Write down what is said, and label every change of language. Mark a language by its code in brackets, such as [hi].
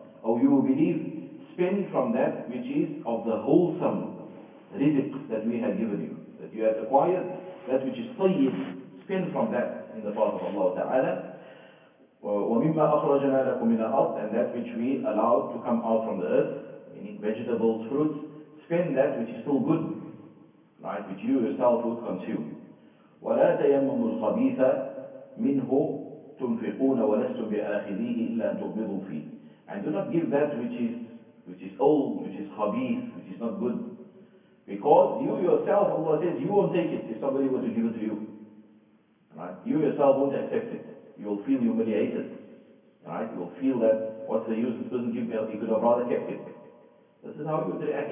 [en] Or you believe, spend from that which is of the wholesome rizq that we have given you, that you have acquired, that which is طيب, spend from that in the path of Allah Ta'ala. [ar] وَمِمَّا أَخْرَجَنَا لَكُمْ مِنَ الْأَرْضِ, [en] and that which we allowed to come out from the earth, meaning vegetables, fruits, spend that which is still good, right, which you yourself would consume. [ar] وَلَا تَيَمَّمُوا الْخَبِيثَ منه تنفقون ولستم بآخذيه إلا أن تغمضوا فيه. [en] And do not give that which is old, which is khabith, which is not good. Because you yourself, Allah says, you won't take it if somebody were to give it to you. Right? You yourself won't accept it. You will feel humiliated. Right? You will feel that, what's the use, this doesn't give me, he could have rather kept it. This is how you would react.